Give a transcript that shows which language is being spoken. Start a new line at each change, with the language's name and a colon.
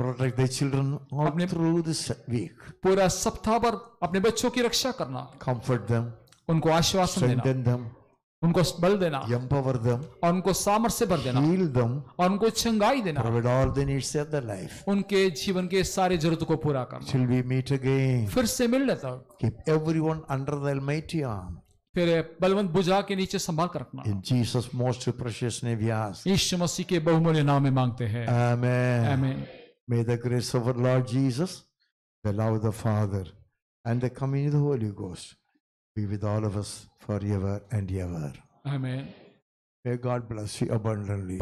English: Protect the children all through this week.
Hindi: पूरा सप्ताह भर अपने बच्चों की रक्षा करना।
English: Comfort them.
Hindi: उनको आश्वासन देना।
English: Strengthen them.
Hindi: उनको बल देना
English: empower them
Hindi: और उनको सामर्थ्य भर देना
English: heal them
Hindi: और उनको चंगाई देना
English: provide all the needs of their life
Hindi: उनके जीवन के सारे जरूरत को पूरा करना
English: shall we meet again
Hindi: फिर से मिल लेता
English: keep everyone under the almighty arm
Hindi: फिर बलवंत भुजा के नीचे संभाल कर रखना
English: in jesus most precious name we ask
Hindi: यीशु मसीह के बहुमूल्य नाम में मांगते हैं
English: amen amen may the grace of our lord jesus the love of the father and the coming of the holy ghost be with all of us forever and ever amen may god bless you abundantly